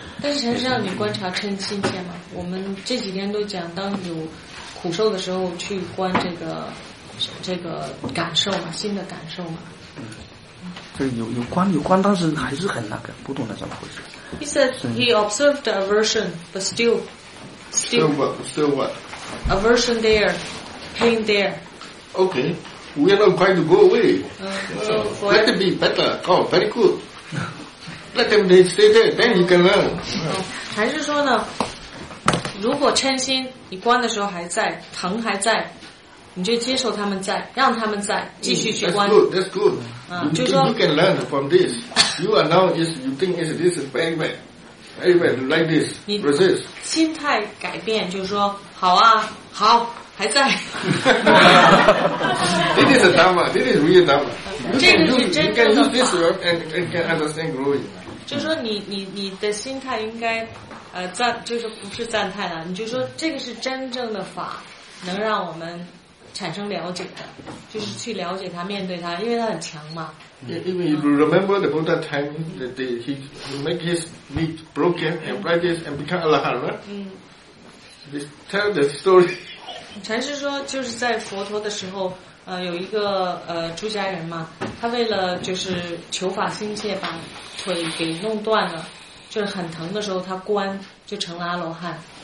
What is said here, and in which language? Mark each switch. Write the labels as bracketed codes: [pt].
[zh] 但是还是让你观察嗔心先嘛，我们这几天都讲，当有苦受的时候去观这个感受嘛，心的感受嘛。这有关，但是还是很那个，不懂得怎么回事。 [en] He said he observed the aversion, but still what? Aversion there, pain there. Okay, we are not going to go away. So let it be better. Oh, very good. Let them they stay there, then you can learn. [zh] 还是说呢，如果嗔心你观的时候还在，疼还在。你就接受他们在，让他们在，继续去观。 [en] That's good. [zh] 就说 [en] you can learn from this. You are now is you think is this is bad, bad, bad like this. Resist. [zh] 心态改变，就是说，好啊，好，还在。 [en] This is a dharma. This is real dharma. [zh] 这个是真的。 [en] You can use this and can understand growing. [zh] 就说你的心态应该，就是不是赞叹了，你就说这个是真正的法，能让我们。产生了解的，就是去了解他，面对他，因为他很强嘛。 [en] Yeah, if you remember the Buddha time, that they, he make his meat broken and break it and become Arahant, right? They tell the story. [zh] 禅师说，就是在佛陀的时候，有一个出家人嘛，他为了就是求法心切，把腿给弄断了，就是很疼的时候，他关就成了阿罗汉。